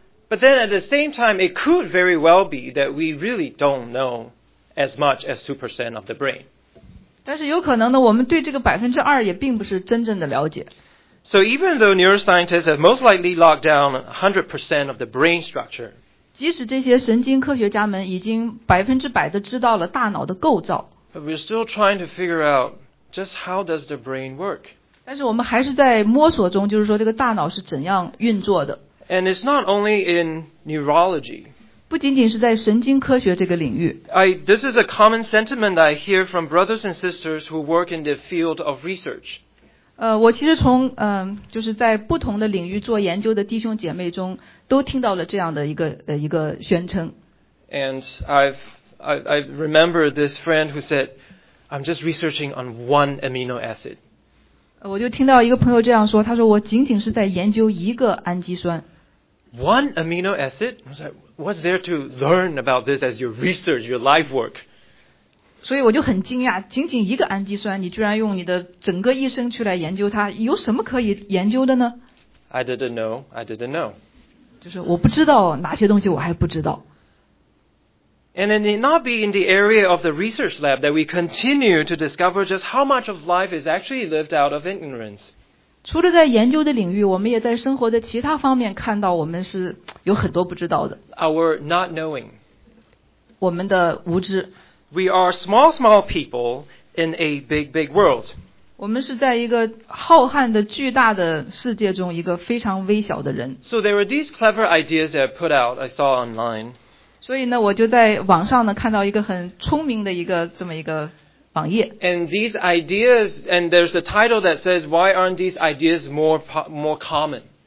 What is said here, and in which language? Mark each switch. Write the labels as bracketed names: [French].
[English] But then at the same time, it could very well be that we really don't know. As much as 2% of the brain. [Chinese] 但是有可能呢，我们对这个2%也并不是真正的了解。 [English] So even though neuroscientists have most likely locked down 100% of the brain structure, [Chinese] 即使这些神经科学家们已经100%的知道了大脑的构造， [English] but we're still trying to figure out just how does the brain work. [Chinese] 但是我们还是在摸索中，就是说这个大脑是怎样运作的。 [English] And it's not only in neurology. [Chinese] 不仅仅是在神经科学这个领域。 [English] This is a common sentiment that I hear from brothers and sisters who work in the field of research. [Chinese] 我其实从就是在不同的领域做研究的弟兄姐妹中，都听到了这样的一个宣称。 [English] And I remember this friend who said, "I'm just researching on one amino acid." [Chinese] 我就听到一个朋友这样说，他说我仅仅是在研究一个氨基酸。 [English] One amino acid? What's there to learn about this as your research, your life work? [Chinese] 所以我就很惊讶，仅仅一个氨基酸，你居然用你的整个一生去来研究它，有什么可以研究的呢？ [English] I didn't know. [Chinese] 就是我不知道哪些东西我还不知道。 [English] And it need not be in the area of the research lab that we continue to discover just how much of life is actually lived out of ignorance. [Chinese] 除了在研究的领域，我们也在生活的其他方面看到我们是有很多不知道的。 [English] Our not knowing. [Chinese] 我们的无知。 [English] We are small people in a big world. [Chinese] 我们是在一个浩瀚的巨大的世界中一个非常微小的人。 [English] So there were these clever ideas that I put out, I saw online. [Chinese] 所以呢，我就在网上呢看到一个很聪明的一个这么一个网页。 [English] And these ideas, and there's a title that says, "Why aren't these ideas more common?"